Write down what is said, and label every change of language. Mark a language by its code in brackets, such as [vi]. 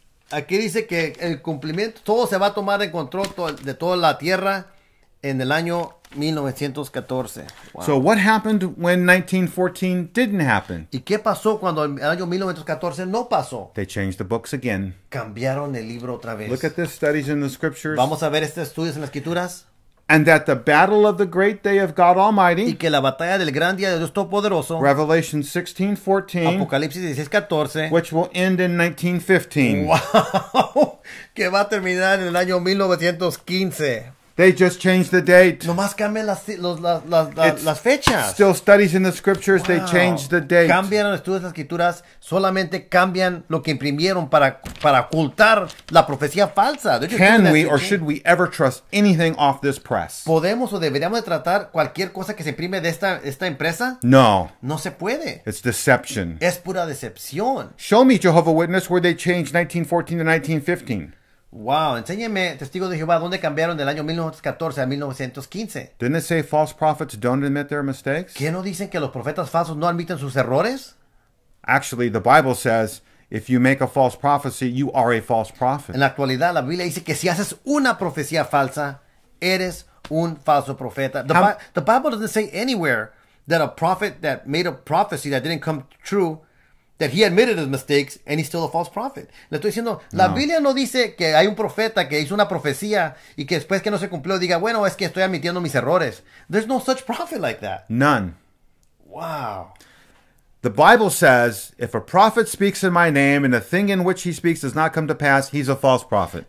[es] Aquí dice que el cumplimiento, todo se va a tomar en control de toda la tierra en el año 1914. [en] Wow. So what happened when 1914 didn't happen? [es] ¿Y qué pasó cuando el año 1914 no pasó? [en] They changed the books again. [es] Cambiaron el libro otra vez. [en] Look at this, Studies in the Scriptures. [es] Vamos a ver estos estudios en las Escrituras. [en] And that the battle of the great day of God Almighty. [es] Y que la batalla del gran día de Dios Todopoderoso. [en] Revelation 16:14. [es] Apocalipsis 16:14. [en] Which will end in 1915. [es] Wow. Que va a terminar en el año 1915. [en] They just changed the date. [es] Nomás cambian las fechas. [en] Still Studies in the Scriptures, wow. They changed the date. [es] Cambiaron Estudios en las Escrituras, solamente cambian lo que imprimieron para ocultar la profecía falsa. [en] Can we or should we ever trust anything off this press? [es] ¿Podemos o deberíamos tratar cualquier cosa que se imprime de esta empresa? [en] No. [es] No se puede. [en] It's deception. [es] Es pura decepción. [en] Show me, Jehovah Witness, where they changed 1914 to 1915. [es] Wow, enséñeme, Testigos de Jehová, ¿dónde cambiaron del año 1914 a 1915? [en] Didn't they say false prophets don't admit their mistakes? [es] ¿Qué no dicen que los profetas falsos no admiten sus errores? [en] Actually, the Bible says, if you make a false prophecy, you are a false prophet. [es] En la actualidad, la Biblia dice que si haces una profecía falsa, eres un falso profeta. [en] The Bible doesn't say anywhere that a prophet that made a prophecy that didn't come true, that he admitted his mistakes, and he's still a false prophet. [es] Le estoy diciendo, la Biblia no dice que hay un profeta que hizo una profecía y que después que no se cumplió diga, bueno, es que estoy admitiendo mis errores. [en] There's no such prophet like that. None. Wow. The Bible says, if a prophet speaks in my name and the thing in which he speaks does not come to pass, he's a false prophet.